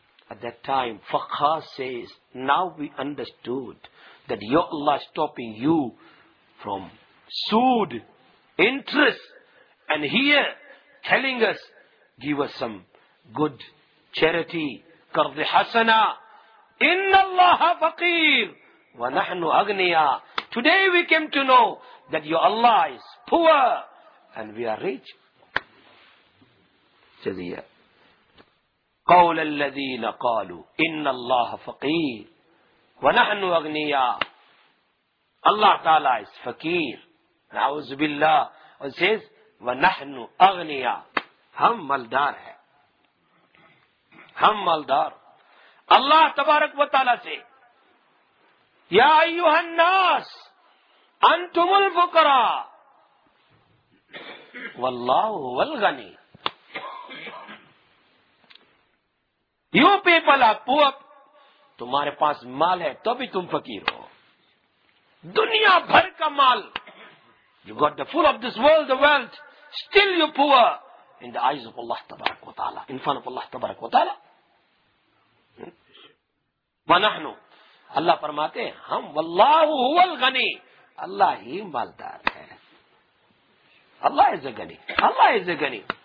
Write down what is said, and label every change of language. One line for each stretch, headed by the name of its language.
English: At that time, Fakha says, now we understood that your Allah is stopping you from sued interest, and here telling us, give us some good charity, qard-e hasana.
Arabic: Inna Allah faqir wa nahnu aghniya.
English: Today we came to know that your Allah is poor and we are rich. Says here,
Arabic: قول الذين قالوا إن الله فقير ونحن أغنياء.
English: Allah Ta'ala is fakir.
Arabic: نعوذ بالله.
English: And says,
Arabic: ونحن أغنياء.
Urdu: هم مالدار ہے. هم مالدار.
Arabic: Allah تبارك وتعالى سے, يا أيها الناس أنتم الفقراء والله هو الغني.
English: You people are poor.
Urdu: تمہارے پاس مال ہے تو بھی تم فقیر ہو. دنیا بھر کا مال.
English: You got the full of this world, the wealth. Still you poor. In the eyes of Allah تبارک و تعالی. In front of Allah تبارک و تعالی.
Arabic: وَنَحْنُ.
Urdu: اللہ فرماتے ہیں ہم.
Arabic: وَاللَّهُ هُوَ الْغَنِي.
Urdu: اللہ ہی مالدار ہے.
English: Allah is a غنی. Allah is a غنی.